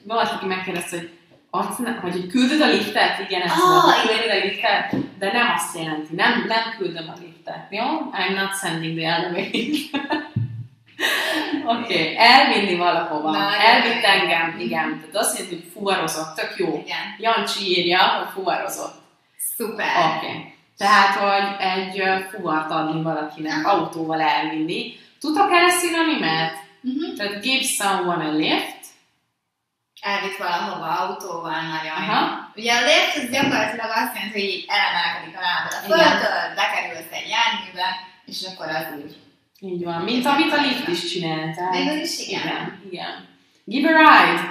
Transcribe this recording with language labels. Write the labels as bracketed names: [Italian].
[Hungarian] Valaki, aki megkérdezte, hogy vagy hogy küldöd a liftet? Igen, ez küldöd a liftet, de nem azt jelenti, nem küldöm a liftet, jó? [English] I'm not sending the elevator. [Hungarian] Oké, okay. Elvinni valahova, elvitt engem, igen. Tehát azt jelenti, hogy fuvarozott, tök jó. Igen. Jancsi írja, hogy fuvarozott. Szuper. Oké. Okay. Tehát, hogy egy fuvart adni valakinek, autóval elvinni. Tudok erre szinonimet? Tehát [English] give someone a lift. [Hungarian] Elvitt valahova autóval, nagyon jó. Ugye a lift az gyakorlatilag azt jelenti, hogy így elemelkedik a lábad a földtől, bekerülsz egy járműbe, és akkor az úgy. Így van, mint amit a lift is csinál. Végül is igen. Igen, igen. [English] Give a ride.